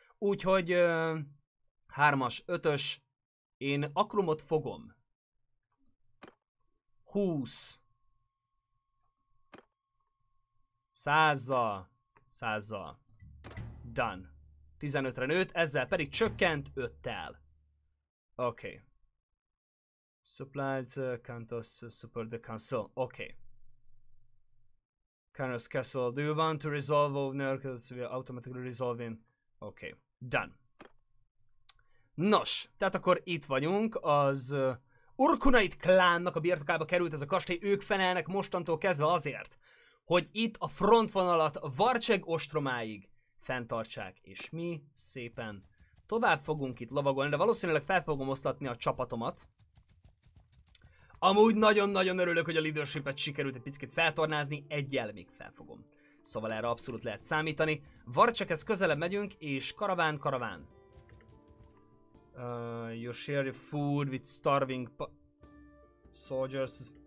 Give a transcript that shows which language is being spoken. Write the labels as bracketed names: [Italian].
[Hungarian] Úgyhogy 3-as, 5-ös, én Akrumot fogom. 20. 100-zal. Done. 15-re nőtt, ezzel pedig csökkent 5-tel. Oké. Okay. [English] Supplies, Kantos, support the council. Okay. Kantos Castle, do you want to resolve owner? Because we are automatically resolving. Okay, done. [Hungarian] Nos, tehát akkor itt vagyunk, az Urkunait klánnak a birtokába került ez a kastély, ők felelnek mostantól kezdve azért, hogy itt a frontvonalat Varcseg ostromáig fenntartsák, és mi szépen tovább fogunk itt lovagolni, de valószínűleg fel fogom osztatni a csapatomat. Amúgy nagyon-nagyon örülök, hogy a leadershipet sikerült egy picit feltornázni, egyel még felfogom. Szóval erre abszolút lehet számítani. Varcsekhez közelebb megyünk, és karaván. [English] You share your food with starving soldiers.